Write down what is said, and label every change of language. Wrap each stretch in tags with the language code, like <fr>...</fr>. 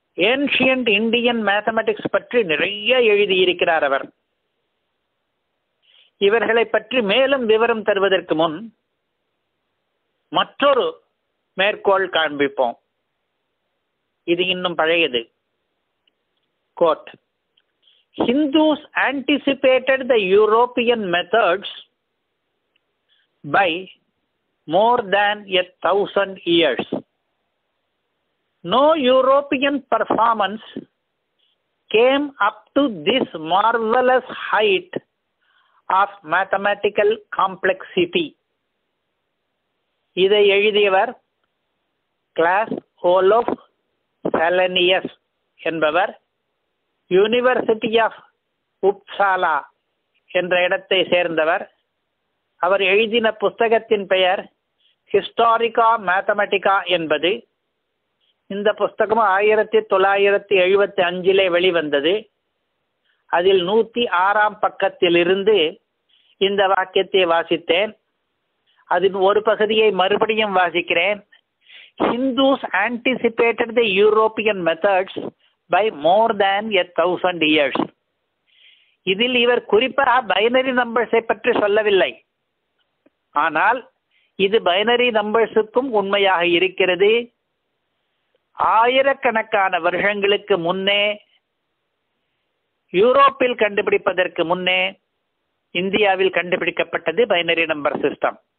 <ta>Ancient Indian mathematics பற்றி நிறைய எழுதியிருக்கிறார் அவர். இவர்களை பற்றி மேலும் விவரம் தருவதற்கு முன் மற்றொரு மேற்கோள் காண்பிப்போம். இது இன்னும் பழையது.</ta> <en>Quote, Hindus anticipated the European methods by more than 1,000 years. No European performance came up to this marvelous height of mathematical complexity.</en> <ta>இதை எழுதியவர் கிளாஸ் ஓலோஃப் செலனியஸ் என்பவர். யூனிவர்சிட்டி ஆஃப் உப்சாலா என்ற இடத்தை சேர்ந்தவர். அவர் எழுதின புஸ்தகத்தின் பெயர் ஹிஸ்டாரிகா மேத்தமெட்டிகா என்பது. இந்த புஸ்தகம் 1975 வெளிவந்தது. அதில் 106 பக்கத்திலிருந்து இந்த வாக்கியத்தை வாசித்தேன். அதன் ஒரு பகுதியை மறுபடியும் வாசிக்கிறேன்.</ta> <en>Hindus anticipated the European methods by more than 1,000 years.</en> <ta>இதில் இவர் குறிப்பாக பைனரி நம்பர்ஸை பற்றி சொல்லவில்லை. ஆனால் இது பைனரி நம்பர்ஸுக்கும் உண்மையாக இருக்கிறது. ஆயிரக்கணக்கான வருஷங்களுக்கு முன்னே யூரோப்பில் கண்டுபிடிப்பதற்கு முன்னே இந்தியாவில் கண்டுபிடிக்கப்பட்டது பைனரி நம்பர் சிஸ்டம்.</ta>